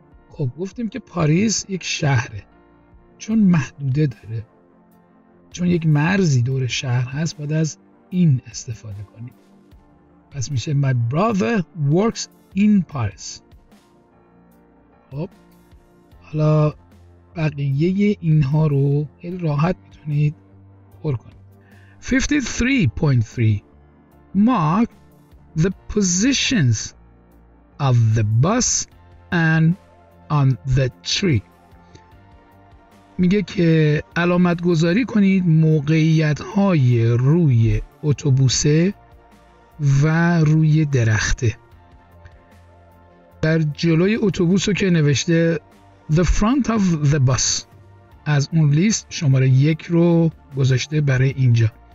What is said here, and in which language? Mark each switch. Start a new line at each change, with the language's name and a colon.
Persian: خب گفتیم که پاریس یک شهره، چون محدوده داره، چون یک مرزی دور شهر هست، باید از این استفاده کنیم. پس میشه
English: My brother works in Paris.
Persian: خب حالا بقیه اینها رو خیلی راحت میتونید پر کنید.
English: 53.3 Mark the positions of the bus and on the tree.
Persian: میگه که علامت گذاری کنید موقعیت های روی اتوبوسه و روی درخته. در جلوی اتوبوس رو که نوشته
English: the front of the bus،
Persian: از اون لیست شماره 1 رو گذاشته برای اینجا.